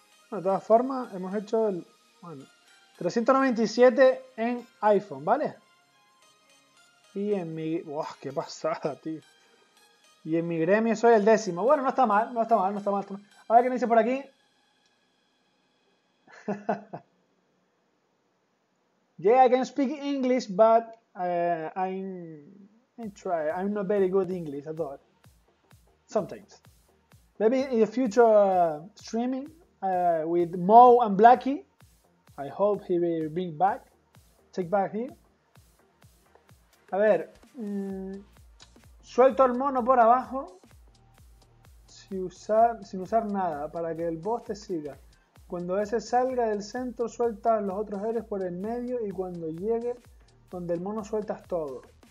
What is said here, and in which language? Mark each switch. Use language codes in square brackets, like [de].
[es] Bueno, de todas formas, hemos hecho el... Bueno, 397 en iPhone, ¿vale? Y en mi... ¡Buah, qué pasada, tío! Y en mi gremio soy el décimo. Bueno, no está mal, no está mal, no está mal. A ver qué me dice por aquí. [en] Yeah, I can speak English, but I'm not very good English at all. Sometimes. Maybe in the future streaming with Mo and Blackie. I hope he will bring back. Take back here. [es] A ver. Suelto el mono por abajo. Sin usar nada. Para que el boss te siga. Cuando ese salga del centro, sueltas los otros héroes por el medio. Y cuando llegue donde el mono, sueltas todo.